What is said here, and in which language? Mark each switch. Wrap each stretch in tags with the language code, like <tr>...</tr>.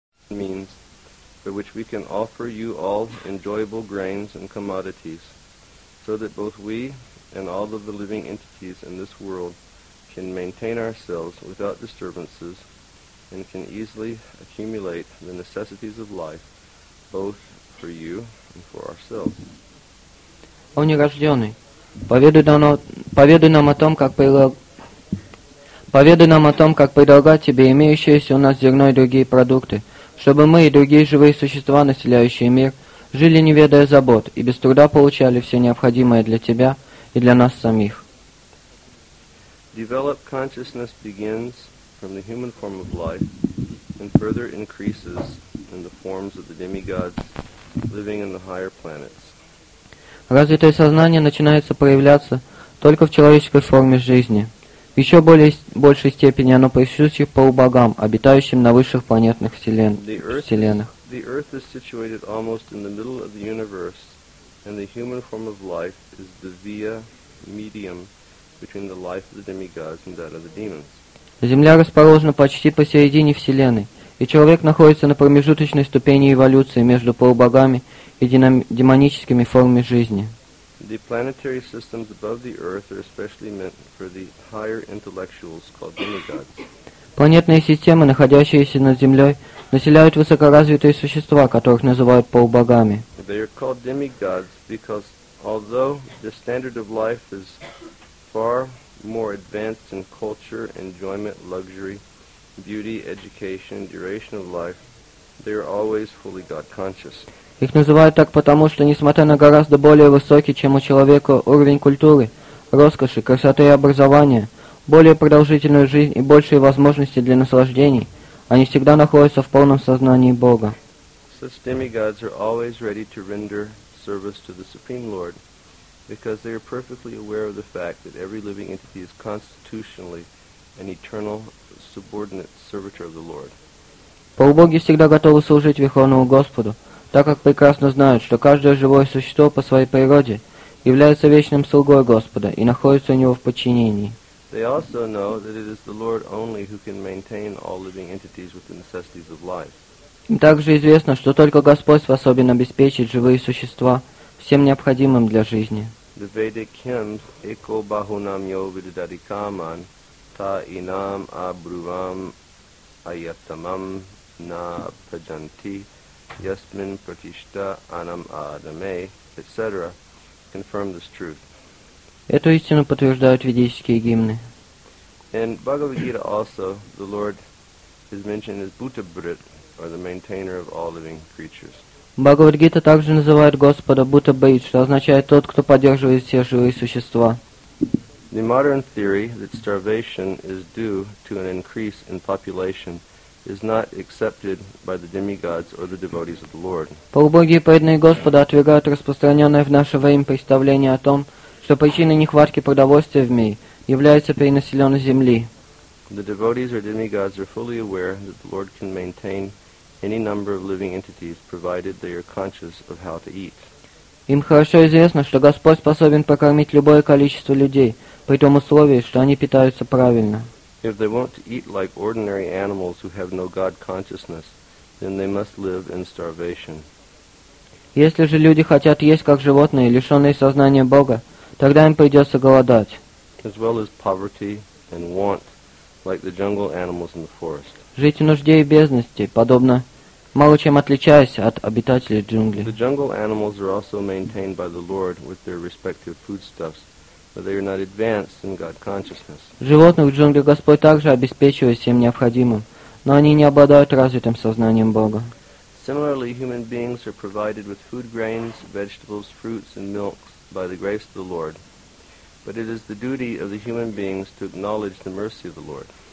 <en>means by which we can offer you all enjoyable grains and commodities, so that both we and all of the living entities in this world can maintain ourselves without disturbances and can easily accumulate the necessities of life, both for you and for ourselves.</en> <ru>О нерожденный, поведай нам о том, как предлагать тебе имеющиеся у нас зерно и другие продукты, чтобы мы и другие живые существа, населяющие мир, жили не ведая забот и без труда получали все необходимое для тебя и для нас самих.</ru> <en>Develop consciousness begins from the human form of life and further increases in the forms of the demigods living in the higher planets.</en> <ru>Развитое сознание начинается проявляться только в человеческой форме жизни. В еще большей степени оно присуще полубогам, обитающим на высших планетных вселенных.</ru> <en>The Earth is situated almost in the middle of the universe, and the human form of life is the via medium between the life of the demigods and that of the demons.</en> <ru>Земля расположена почти посередине Вселенной, и человек находится на промежуточной ступени эволюции между полубогами и демоническими формами жизни.</ru> <en>The planetary systems above the Earth are especially meant for the higher intellectuals called demigods.</en> <ru>Планетные системы, находящиеся над Землей, населяют высокоразвитые существа, которых называют полубогами.</ru> <en>They are called demigods because although the standard of life is far more advanced in culture, enjoyment, luxury, beauty, education, duration of life, they are always fully God conscious.</en> <ru>Их называют так потому, что несмотря на гораздо более высокий, чем у человека, уровень культуры, роскоши, красоты и образования, более продолжительную жизнь и большие возможности для наслаждений, они всегда находятся в полном сознании Бога.</ru> <en>Such demigods are always ready to render service to the Supreme Lord because they are perfectly aware of the fact that every living entity is constitutionally an eternal subordinate servitor of the Lord.</en> <ru>Полубоги всегда готовы служить Верховному Господу, так как прекрасно знают, что каждое живое существо по своей природе является вечным слугой Господа и находится у Него в подчинении.</ru> <en>They also know that it is the Lord only who can maintain all living entities with the necessities of life.</en> <ru>Также известно, что только Господь способен обеспечить живые существа всем необходимым для жизни.</ru> <en>The Vedic hymns</en> <sa>Eko Bahunam Yo Vidadikaman Ta Inam Abruvam Ayatamam Na Pajanti Yasmin Pratishta Anam Adame,</sa> <en>etc. confirm this truth.</en> <ru>Эту истину подтверждают ведические гимны.</ru> <en>In Bhagavad-gita also, the Lord is mentioned as Bhutabrit, or the maintainer of all living creatures.</en> <ru>Бхагавад-гита также называют Господа Бхутабрит, что означает тот, кто поддерживает все живые существа.</ru> <en>The modern theory that starvation is due to an increase in population is not accepted by the demigods or the devotees of the Lord.</en> <ru>Полубоги и преданные Господа отвергают распространенное в наше время представление о том, что причиной нехватки продовольствия в мире является перенаселенность земли.</ru> <en>The devotees or demigods are fully aware that the Lord can maintain any number of living entities, provided they are conscious of how to eat.</en> <ru>Им хорошо известно, что Господь способен прокормить любое количество людей, при том условии, что они питаются правильно.</ru> <en>If they want to eat like ordinary animals who have no God consciousness, then they must live in starvation.</en> <ru>Если же люди хотят есть как животные, лишенные сознания Бога, тогда им придется голодать.</ru> <en>As well as poverty and want, like the jungle animals in the forest.</en> <ru>Жить в нужде и бедности, подобно, мало чем отличаясь от обитателей джунглей.</ru> <en>The jungle animals are also maintained by the Lord with their respective foodstuffs, but they are not advanced in God consciousness.</en> <ru>Животных в джунглях Господь также обеспечивает всем необходимым, но они не обладают развитым сознанием Бога.</ru> <en>Similarly, human beings are provided with food grains, vegetables, fruits, and milks by the grace of the Lord. But it is the duty of the human beings to acknowledge the mercy of the Lord.</en>